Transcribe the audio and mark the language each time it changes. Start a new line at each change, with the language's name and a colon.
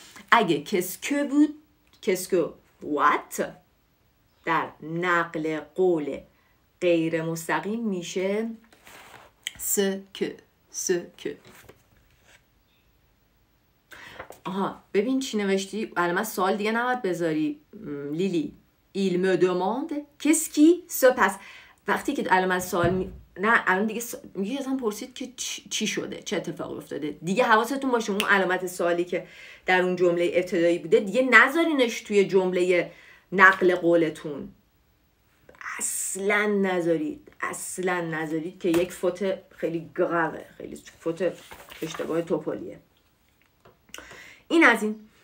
Persian: اگه کس که بود کس که وات در نقل قول غیر مستقیم میشه سو که سو که. آها ببین چی نوشتی، علامت سوال دیگه نباید بذاری.
French: لیلی il me demande qu'est-ce qui se passe.
Persian: وقتی که الان من سوال نه الان دیگه میگه ازم پرسید که چی شده، چه اتفاقی افتاده. دیگه حواستون باشه اون علامت سوالی که در اون جمله ابتدایی بوده دیگه نذارینش توی جمله نقل قولتون. اصلا نذارید که یک فوت خیلی گراوه، خیلی فوت اشتباه توپولیه. این از این.